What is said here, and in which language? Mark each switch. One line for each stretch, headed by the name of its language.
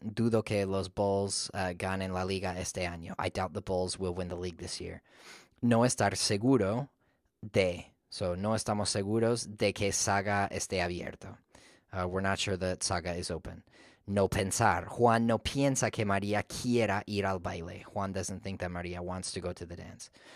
Spanish: Dudo que los Bulls ganen la liga este año.
English: I doubt the Bulls will win the league this year.
Spanish: No estar seguro de. So no estamos seguros de que Saga esté abierto.
English: We're not sure that Saga is open.
Spanish: No pensar. Juan no piensa que María quiera ir al baile.
English: Juan doesn't think that María wants to go to the dance.